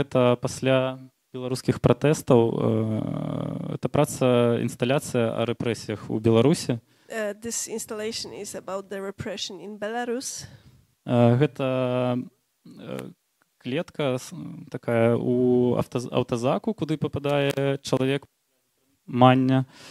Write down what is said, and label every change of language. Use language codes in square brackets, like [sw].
[be] Гэта пасля беларускіх пратэстаў. Гэта праца інсталяцыя о рэпрэсіях у Беларусі. [en] This installation is about the repression in Belarus. [be] Гэта клетка такая у аўтазаку, куды пападае чалавек мання.